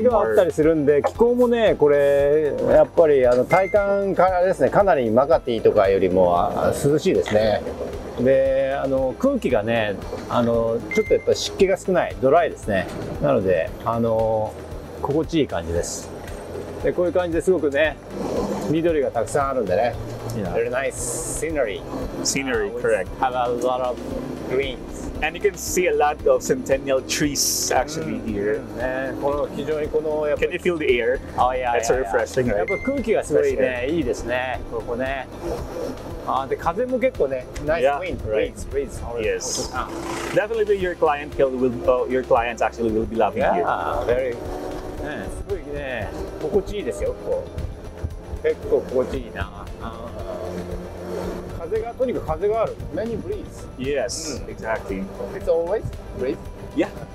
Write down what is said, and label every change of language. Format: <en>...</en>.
<ja>木があったりするんで、気候もね、これやっぱり体感からですね、かなりマカティとかよりも涼しいですね。で、空気がね、ちょっとやっぱ湿気が少ない、ドライですね。なので、心地いい感じです。でこういう感じですごくね、緑がたくさんあるんでね。</ja> <en>Very nice scenery. Scenery, correct. Have a lot of greens. And you can see a lot of centennial trees actually here.</en> <ja>ね、この非常にこのやっぱ</ja> <en>Can you feel the air? Oh yeah. That's refreshing, right?</en> <ja>やっぱ空気がすごいね、いいですね。ここね。で風も結構ね、</ja> <en>nice wind, right? Breeze. Yes. Definitely your client will, your clients actually will be loving here. Yeah, very.</en> <ja>ね、すごいね、心地いいですよ、ここ。結構心地いいな。風が、とにかく風がある。</ja> <en>Many breeze. Yes, exactly. It's always breeze? Yeah.</en>